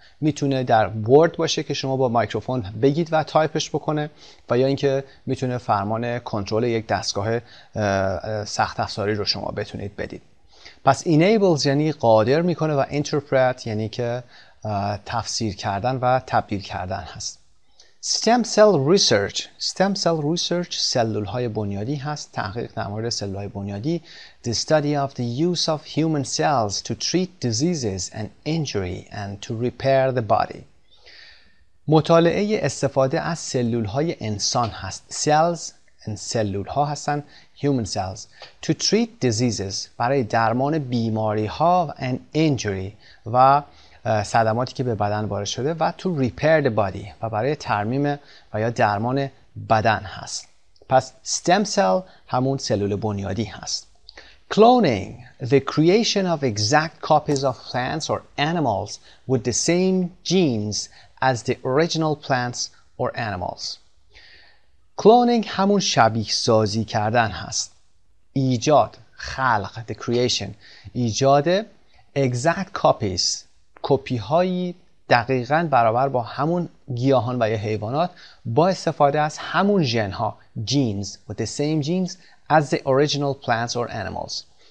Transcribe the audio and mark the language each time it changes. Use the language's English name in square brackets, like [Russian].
[Persian] میتونه در ورد باشه که شما با مایکروفون بگید و تایپش بکنه و یا اینکه میتونه فرمان کنترل یک دستگاه سخت افزاری رو شما بتونید بدید. پس enables یعنی قادر میکنه و interpret یعنی که تفسیر کردن و تبدیل کردن هست. [English] Stem cell research [Persian] سلول های بنیادی هست. تحقیق در مورد سلول های بنیادی. [English] The study of the use of human cells to treat diseases and injury and to repair the body. [Persian] مطالعه استفاده از سلول های انسان هست. [English] Cells and [Persian] سلول ها هستن. [English] Human cells to treat diseases [Persian] برای درمان بیماری ها [English] and injury [Persian] و صدماتی که به بدن وارد شده و [English] to repair the body [Persian] و برای ترمیم و یا درمان بدن هست. پس stem cell همون سلول بنیادی هست. [English] Cloning, the creation of exact copies of plants or animals with the same genes as the original plants or animals. [Persian] Cloning همون شبیه سازی کردن هست. ایجاد، خلق, [English] the creation, [Persian] ایجاد [English] exact copies، [Persian] کپی هایی دقیقاً برابر با همون گیاهان و یا حیوانات با استفاده از همون ژن ها، genes, [English] with the same genes as the original plants or animals.